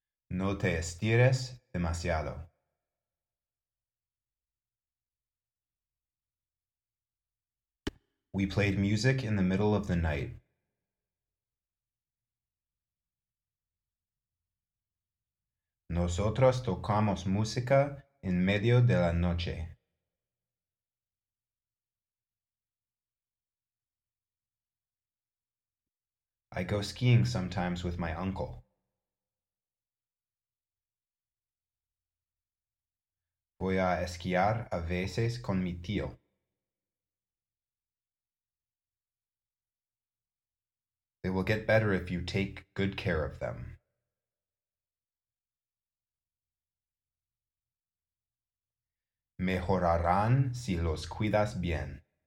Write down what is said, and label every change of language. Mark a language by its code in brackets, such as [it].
[es] No te estires demasiado. [en] We played music in the middle of the night. [es] Nosotros tocamos música en medio de la noche. [en] I go skiing sometimes with my uncle. [es] Voy a esquiar a veces con mi tío. [en] They will get better if you take good care of them. [es] Mejorarán si los cuidas bien.